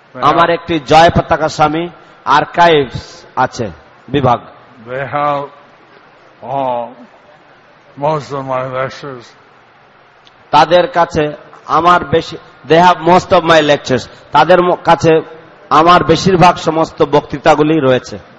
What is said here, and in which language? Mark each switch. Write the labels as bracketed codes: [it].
[bn] আমার একটি Jayapataka Swami archives আছে বিভাগ। [en] They have most of my lectures. [bn] তাদের কাছে আমার বেশি [en] they have most of my lectures. [bn] তাদের কাছে আমার বেশিরভাগ সমস্ত বক্তৃতাগুলি রয়েছে।